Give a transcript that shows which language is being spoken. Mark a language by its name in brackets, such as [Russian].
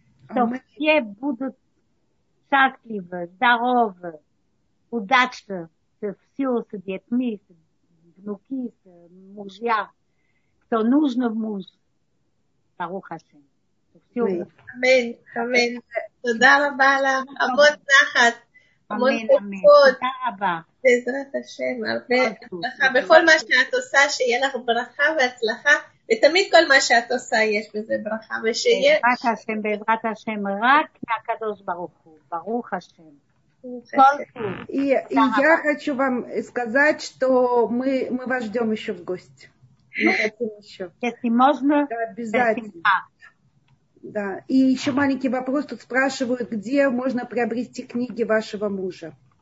[Russian] Что все будут счастливы, здоровы, удачны все с детьми, с внуки, с мужья, кто нужен в муж. [Hebrew] Барух Ашем. Амин, амин. Туда раба лах, амон тахат. Амин, амин. Туда раба. בעזרת השם, הרבה הצלחה. בכל מה שאת עושה, שיהיה לך ברכה והצלחה. ותמיד כל מה שאת עושה, יש בזה ברכה. ושיהיה... בעזרת השם, בעזרת השם, רק מהקדוש ברוך הוא. ברוך השם. כל טוב. [Russian] Я хочу вам сказать, что мы вас ждем еще в гости. Мы хотим еще. Если можно, обязательно. Да, и еще маленький вопрос. Тут спрашивают, где можно приобрести книги вашего мужа.